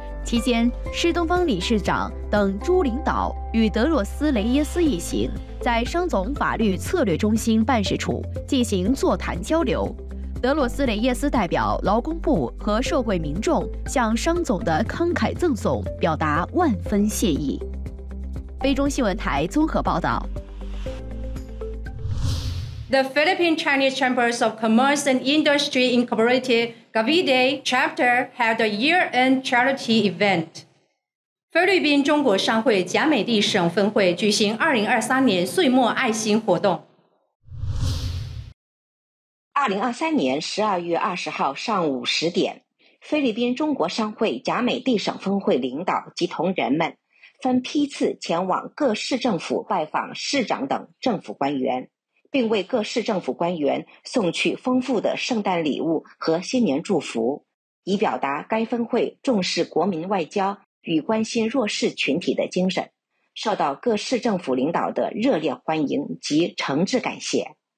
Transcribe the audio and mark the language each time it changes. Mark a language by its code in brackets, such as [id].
[zh] 期间，施东方理事长等诸领导与德洛斯·雷耶斯一行在商总法律策略中心办事处进行座谈交流。德洛斯·雷耶斯代表劳工部和社会民众向商总的慷慨赠送表达万分谢意。非中新闻台综合报道。 [en] The Philippine Chinese Chambers of Commerce and Industry Incorporated GAVIDE Chapter had a year-end charity event. [zh] 菲律宾中国商会贾美丽省分会举行2023年岁末爱心活动。 2023年12月20号上午10点，菲律宾中国商会贾美丽省分会领导及同仁们分批次前往各市政府拜访市长等政府官员，并为各市政府官员送去丰富的圣诞礼物和新年祝福，以表达该分会重视国民外交与关心弱势群体的精神，受到各市政府领导的热烈欢迎及诚挚感谢。